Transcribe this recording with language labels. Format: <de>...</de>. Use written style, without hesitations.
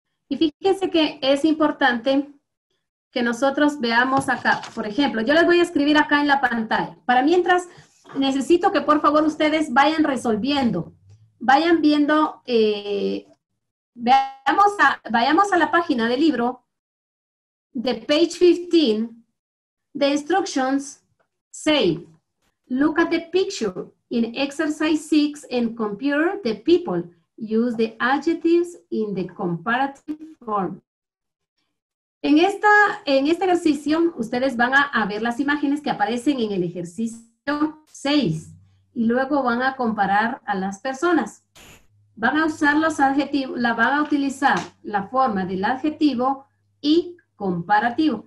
<es>Y fíjense que es importante que nosotros veamos acá, por ejemplo, yo les voy a escribir acá en la pantalla. Para mientras, necesito que por favor ustedes vayan resolviendo, vayan viendo, vayamos a la página del libro, de page 15,</es> <en>The instructions say, look at the picture in exercise 6 and compare the people. Use the adjectives in the comparative form.</en> <es>En este ejercicio, ustedes van a ver las imágenes que aparecen en el ejercicio 6 y luego van a comparar a las personas. Van a usar los adjetivos, la van a utilizar la forma del adjetivo y comparativo.</es>